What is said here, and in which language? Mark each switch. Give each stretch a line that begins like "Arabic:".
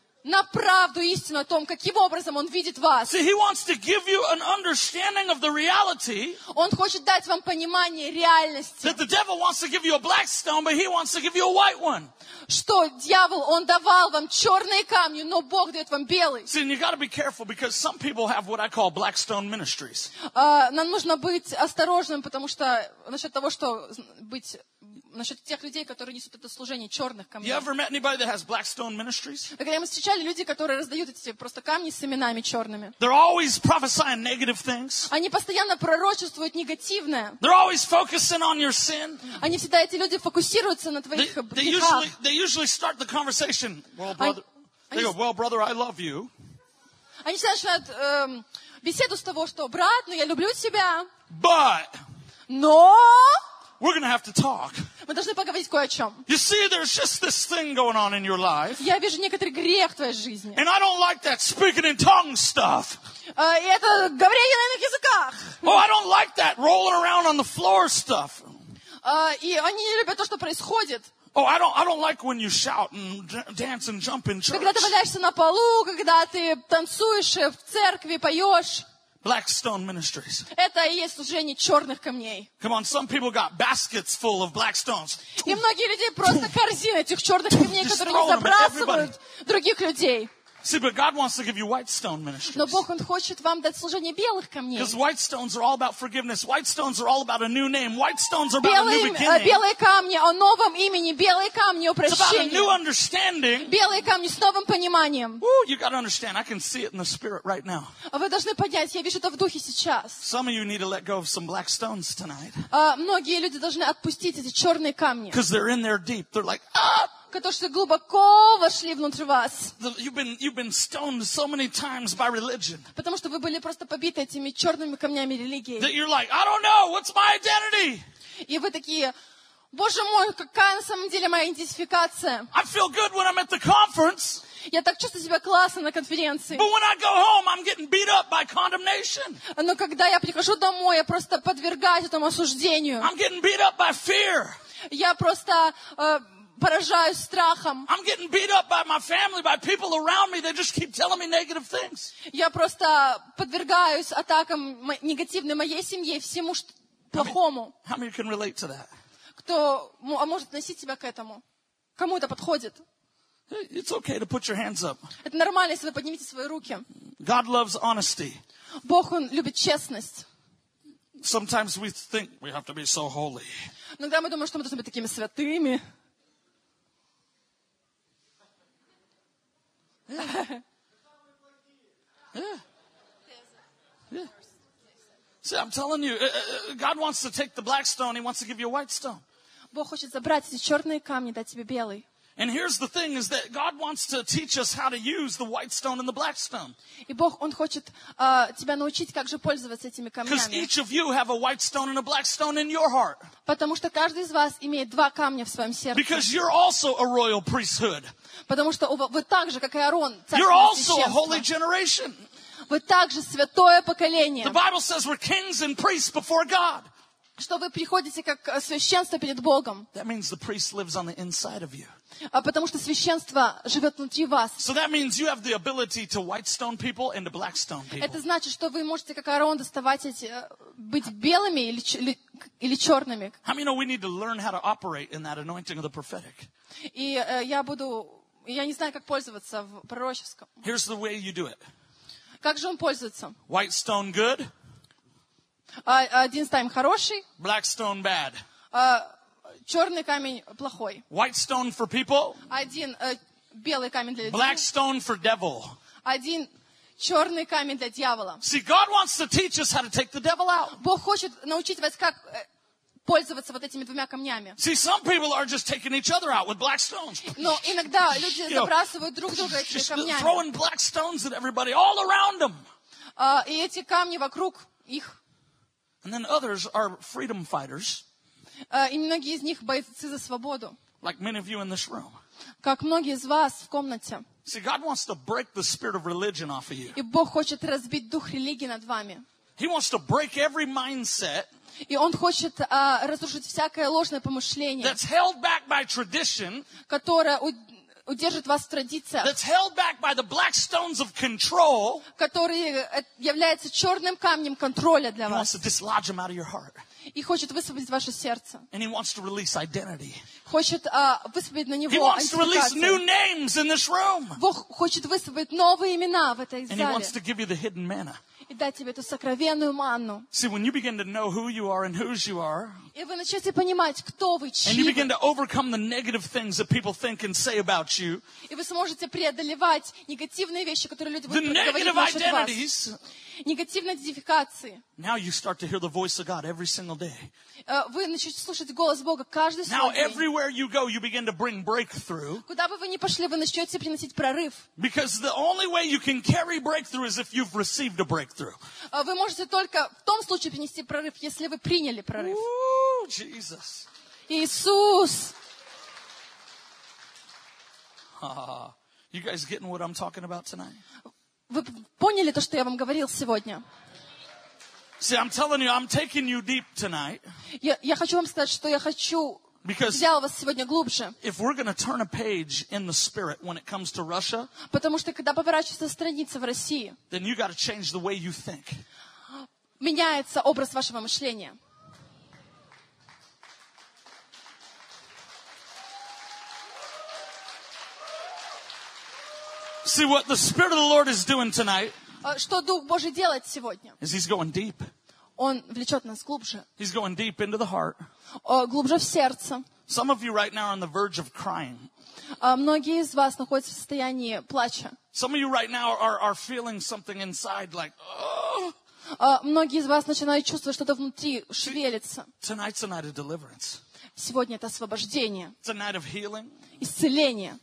Russian: На правду, истину о том, каким образом Он видит вас.
English: See, He wants to give you an understanding of the reality.
Russian: Он хочет дать вам понимание реальности.
English: That the devil wants to give you a black stone, but He wants to give you a white one.
Russian: Что дьявол, он давал вам черные камни, но Бог дает вам белый.
English: See, and you got to be careful because some people have what I call black stone ministries.
Russian: Нам нужно быть осторожным, потому что насчет того, что быть насчет тех людей, которые несут это служение черных камней.
English: You ever met anybody that has black stone ministries?
Russian: Когда мы встречали людей, которые раздают эти просто камни с именами черными.
English: They're always prophesying negative things.
Russian: Они постоянно пророчествуют негативное.
English: They're always focusing on your sin.
Russian: Они всегда, эти люди, фокусируются на твоих грехах.
English: They usually start the conversation, well, brother, they go, well, brother, I love you.
Russian: Они всегда начинают беседу с того, что, брат, ну я люблю тебя.
English: But.
Russian: Но.
English: We're going to have to talk.
Russian: Мы должны поговорить кое о чем.
English: You see, there's just this thing going on in your life.
Russian: Я вижу некоторый грех в твоей жизни.
English: And I don't like that speaking in tongues stuff.
Russian: И это говорение на иных языках.
English: Oh, I don't like that rolling around on the floor stuff.
Russian: И они не любят то, что происходит.
English: Oh, I don't like when you shout and dance and jump in church.
Russian: Когда ты валяешься на полу, когда ты танцуешь в церкви, поешь.
English: Blackstone Ministries.
Russian: Это и есть служение черных камней.
English: Come on, some people got baskets full of black stones.
Russian: И многие люди просто корзины этих черных камней, которые они забрасывают других людей.
English: See, but God wants to give you white stone ministries.
Russian: Но Бог, Он хочет вам дать служение белых камней.
English: Because white stones are all about forgiveness. White stones are all about a new name. White stones are about
Russian: белые,
English: a new beginning.
Russian: Белые камни о новом имени. Белые камни о прощении.
English: It's about a new understanding.
Russian: Белые камни с новым пониманием.
English: Ooh, you got to understand. I can see it in the spirit right now.
Russian: Вы должны понять, я вижу это в духе сейчас.
English: Some of you need to let go of some black stones tonight.
Russian: Многие люди должны отпустить эти черные камни.
English: Because they're in there deep. They're like,
Russian: то, что глубоко вошли внутрь вас.
English: You've been stoned so many times by religion.
Russian: Потому что вы были просто побиты этими черными камнями религии.
English: That you're like, I don't know, what's my identity?
Russian: И вы такие, Боже мой, какая на самом деле моя идентификация?
English: I feel good when I'm at the conference.
Russian: Я так чувствую себя классно на конференции.
English: But when I go home, I'm getting beat up by condemnation.
Russian: Но когда я прихожу домой, я просто подвергаюсь этому осуждению.
English: I'm getting beat up by fear.
Russian: Я просто поражаюсь страхом.
English: I'm getting beat up by my family, by people around me. They just keep telling me negative things.
Russian: Я просто подвергаюсь атакам негативной моей семьи, всему плохому.
English: How many can relate to that?
Russian: Кто может относить себя к этому? Кому это подходит?
English: It's okay to put your hands up.
Russian: Это нормально, если вы поднимете свои руки.
English: God loves honesty.
Russian: Бог, Он любит честность.
English: Sometimes we think we have to be so holy.
Russian: Иногда мы думаем, что мы должны быть такими святыми.
English: See, I'm telling you, God wants to take the black stone, He wants to give you a white stone.
Russian: Бог хочет забрать эти черные камни, дать тебе белый.
English: And here's the thing, is that God wants to teach us how to use the white stone and the black stone.
Russian: И Бог, Он хочет тебя научить, как же пользоваться этими камнями.
English: Because each of you have a white stone and a black stone in your heart.
Russian: Потому что каждый из вас имеет два камня в своем сердце.
English: Because you're also a royal priesthood.
Russian: Потому что вы так же, как и Аарон, царство священство.
English: You're also a holy generation.
Russian: Вы также святое поколение.
English: The Bible says we're kings and priests before God.
Russian: Что вы приходите как священство перед Богом.
English: That means the priest lives on the inside of you.
Russian: Потому что священство живет внутри вас.
English: So that means you have the ability to white stone people and to black stone people.
Russian: Это значит, что вы можете как Аарон доставать эти быть белыми или черными.
English: How many know we need to learn how to operate in that anointing of the prophetic?
Russian: И я не знаю, как пользоваться в пророческом.
English: Here's the way you do it.
Russian: Как же он пользуется?
English: White stone good.
Russian: Один стайм хороший.
English: Black stone bad.
Russian: Черный камень плохой.
English: White stone for people.
Russian: Один белый камень для людей.
English: Black stone for devil.
Russian: Один черный камень для дьявола.
English: See, God wants to teach us how to take the devil out.
Russian: Бог хочет научить вас, как пользоваться вот этими двумя камнями.
English: See, some people are just taking each other out with black stones.
Russian: Но иногда люди забрасывают друг друга этими камнями.
English: Just throwing black stones at everybody all around them.
Russian: И эти камни вокруг их.
English: And then others are freedom fighters.
Russian: И многие из них бойцы за свободу.
English: Like many of you in this room.
Russian: Как многие из вас в комнате.
English: See, God wants to break the spirit of religion off of you.
Russian: И Бог хочет разбить дух религии над вами.
English: He wants to break every mindset.
Russian: И Он хочет разрушить всякое ложное помышление.
English: That's held back by tradition.
Russian: Которое удержит вас в традициях.
English: That's held back by the black stones of control.
Russian: Которые являются черным камнем контроля для вас.
English: He wants to dislodge them out of your heart.
Russian: И хочет высвободить ваше сердце.
English: And he wants to release identity.
Russian: Хочет высвободить на него
English: He wants to release new names in this room.
Russian: Бог хочет высвободить новые имена в этой зале.
English: And he wants to give you the hidden manna.
Russian: И дать тебе эту сокровенную манну.
English: See, when you begin to know who you are and whose you are.
Russian: И вы начнете понимать, кто вы, чьи.
English: And you begin to overcome the negative things that people think and say about you.
Russian: И вы сможете преодолевать негативные вещи, которые люди будут говорить насчет вас.
English: The negative identities.
Russian: Негативные идентификации.
English: Now you start to hear the voice of God every single day.
Russian: Вы начнете слушать голос Бога каждый
English: Now, Now everywhere you go, you begin to bring breakthrough.
Russian: Куда бы вы ни пошли, вы начнете приносить прорыв.
English: Because the only way you can carry breakthrough is if you've received a breakthrough.
Russian: Вы можете только в том случае принести прорыв, если вы приняли прорыв.
English: Jesus.
Russian: Иисус.
English: You guys getting what I'm talking about tonight?
Russian: Вы поняли то, что я вам говорил сегодня?
English: See, I'm telling you, I'm taking you deep tonight.
Russian: Я хочу вам сказать, что я хочу взял вас сегодня глубже.
English: If we're going to turn a page in the spirit when it comes to Russia,
Russian: потому что когда поворачивается страница в России,
English: then you got to change the way you think.
Russian: Меняется образ вашего мышления.
English: See what the Spirit of the Lord is doing tonight.
Russian: Что Дух Божий делает сегодня?
English: Is He's going deep.
Russian: Он влечет нас глубже.
English: He's going deep into the heart.
Russian: Глубже в сердце.
English: Some of you right now are on the verge of crying.
Russian: Многие из вас находятся в состоянии плача.
English: Some of you right now are feeling something inside like, oh.
Russian: Многие из вас начинают чувствовать, что-то внутри шевелится.
English: Tonight's a night of deliverance.
Russian: Сегодня это освобождение.
English: It's a night of healing.
Russian: Исцеление.